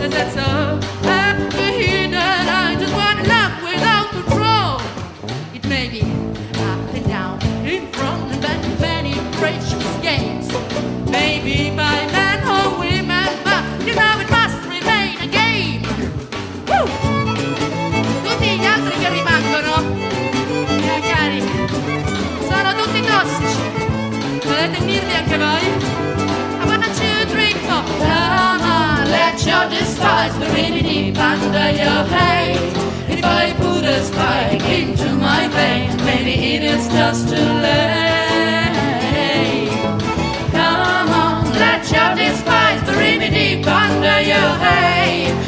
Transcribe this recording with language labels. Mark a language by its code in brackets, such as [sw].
[en] Is that so happy to hear that I just want love without control? It may be up and down, in front and back, many precious games. Maybe by men or women, but you know it must remain a game. Woo! [it] Tutti gli altri che rimangono, sono tutti tossici, volete unirvi anche voi? [en] I wanna two, three, four. Come on, let your despise be really deep under your hate. If I put a spike into my vein, maybe it is just too late. Come on, let your despise be really deep under your hate.